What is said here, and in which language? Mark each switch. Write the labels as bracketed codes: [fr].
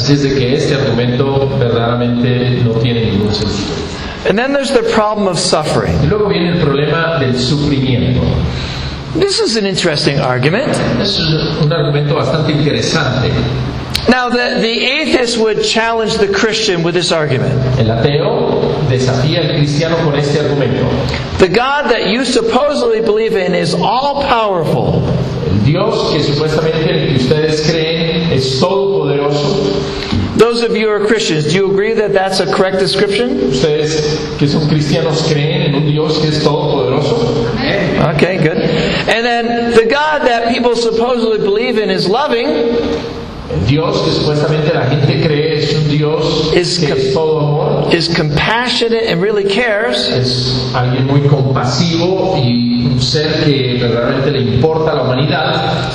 [es] Así es de que este argumento verdaderamente no tiene ningún sentido. [en] And then there's the problem of suffering. [es] Y luego viene el problema del sufrimiento. [en] This is an interesting argument. [es] Es un argumento bastante interesante. [en] Now, the atheist would challenge the Christian with this argument. [es] El ateo desafía el cristiano con este argumento. [en] The God that you supposedly believe in is all powerful. [es] El Dios que supuestamente el que ustedes creen es todopoderoso. [en] Those of you who are Christians, do you agree that that's a correct description? [es] Ustedes que son cristianos creen en un Dios que es todopoderoso. [en] Okay, good. And then the God that people supposedly believe in is loving. [es] Dios que supuestamente la gente cree es un Dios que es todo amor. [en] Is compassionate and really cares. [es] Es alguien muy compasivo y un ser que realmente le importa a la humanidad.